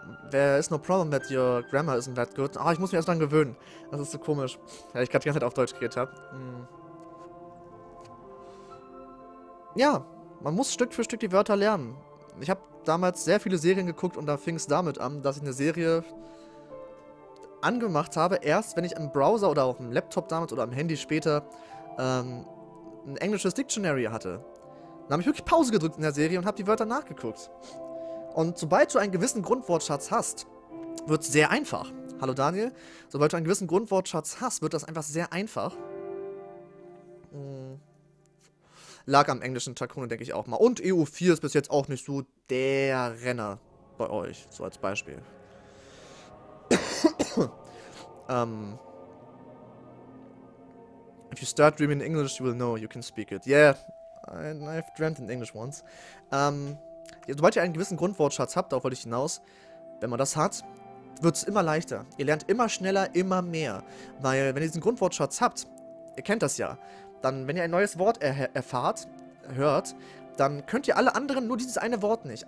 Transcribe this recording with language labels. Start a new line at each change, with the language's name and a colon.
English: There is no problem that your grammar isn't that good.
German: Ah, ich muss mich erst dran gewöhnen. Das ist so komisch. Ja, ich gerade die ganze Zeit auf Deutsch geredet habe. Ja, man muss Stück für Stück die Wörter lernen. Ich habe damals sehr viele Serien geguckt und da fing es damit an, dass ich eine Serie angemacht habe, erst wenn ich im Browser oder auf dem Laptop damals oder am Handy später ein englisches Dictionary hatte. Dann habe ich wirklich Pause gedrückt in der Serie und habe die Wörter nachgeguckt. Und sobald du einen gewissen Grundwortschatz hast, wird es sehr einfach. Hallo Daniel. Sobald du einen gewissen Grundwortschatz hast, wird das einfach sehr einfach. Lag am englischen Takuno, denke ich auch mal. Und EU4 ist bis jetzt auch nicht so der Renner bei euch, so als Beispiel.
English: If you start dreaming in English, you will know you can speak it. Yeah, I've dreamt in English once.
German: Sobald ihr einen gewissen Grundwortschatz habt, darauf wollte ich hinaus, wenn man das hat, wird es immer leichter. Ihr lernt immer schneller, immer mehr. Weil wenn ihr diesen Grundwortschatz habt, ihr kennt das ja, dann wenn ihr ein neues Wort hört, dann könnt ihr alle anderen nur dieses eine Wort nicht.